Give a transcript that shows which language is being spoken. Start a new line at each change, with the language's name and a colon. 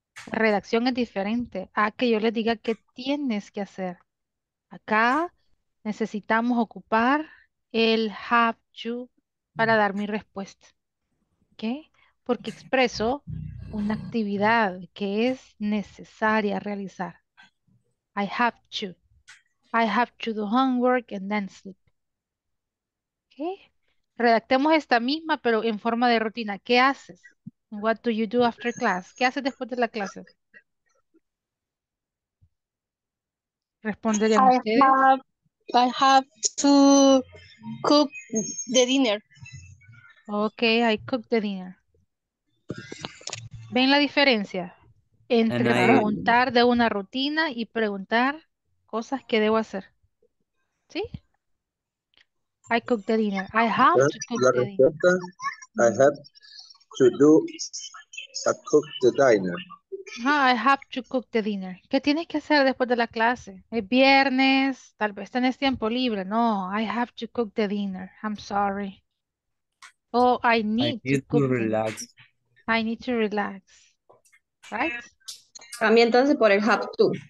Spanish: La redacción es diferente a que yo les diga qué tienes que hacer. Acá necesitamos ocupar el have to para dar mi respuesta. ¿Ok? Porque expreso una actividad que es necesaria realizar.
English: I have to. I have to do homework and then sleep. ¿Ok?
Spanish: Redactemos esta misma, pero en forma de rutina. ¿Qué haces?
English: What do you do after class?
Spanish: ¿Qué haces después de la clase? ¿Responderían ustedes?
English: I have to cook the dinner. Okay, I cook the dinner.
Spanish: ¿Ven la diferencia entre preguntar de una rutina y preguntar cosas que debo hacer?
English: ¿Sí? I cook the dinner. I have to cook the dinner. I have to do a cook the dinner. I have to cook the dinner.
Spanish: ¿Qué tienes que hacer después de la clase? Es viernes, tal vez tenés tiempo libre. No,
English: I have to cook the dinner. I'm sorry. Oh, I need to cook. I need to relax. I need to relax. Right?
Spanish: También entonces por el have to.